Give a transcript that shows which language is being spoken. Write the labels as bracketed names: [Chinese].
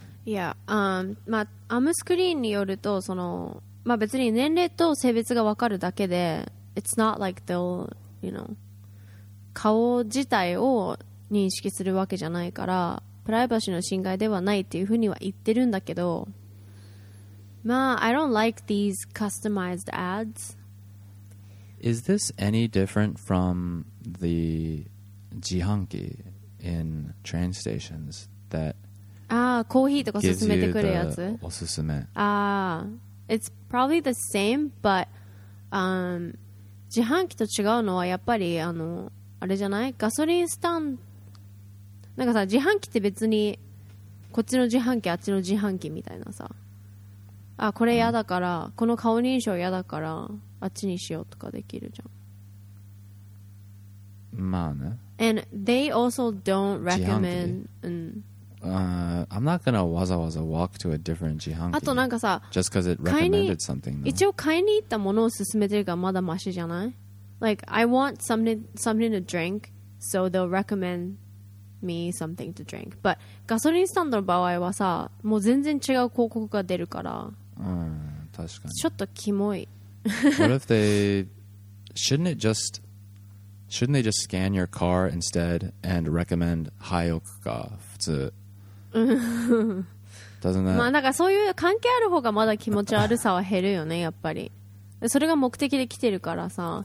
[Japanese] Yeah, アムスクリーンによると、その、まあ、別に年齢と性別が分かるだけで、 [English] it's not like they'll, you know, [Japanese] 顔自体を認識するわけじゃないから、プライバシーの侵害ではないっていうふうには言ってるんだけど、まあ、 [English] I don't like these customized ads. Is this any different from the 自販機 in train stations that [Japanese] コーヒーとか勧めてくるやつ？おすすめ。 [English] It's probably the same, but [Japanese] 自販機と違うのはやっぱりあの、あれじゃない？ガソリンスタンド。なんかさ、自販機って別にこっちの自販機、あっちの自販機みたいなさ。あ、これ嫌だから、うん、この顔認証嫌だからあっちにしようとかできるじゃん。まあね。 [English] And they also don't recommend. 自販機。 I'm not gonna [Japanese] わざわざ [English] walk to a different 自販機。 [Japanese] あとなんかさ、 [English] just because it recommended something. [Japanese] 一応買いに行ったものを勧めてるからまだマシじゃない ？ [English] Like I want something to drink, so they'll recommend me something to drink. [Japanese] But ガソリンスタンドの場合はさ、もう全然違う広告が出るから。確かに。ちょっとキモい。 [English] What if they shouldn't they just scan your car instead and recommend Hayoka か普通。 Doesn't that? [Japanese] まあなんかそういう関係ある方がまだ気持ち悪さは減るよねやっぱり。それが目的で来てるからさ。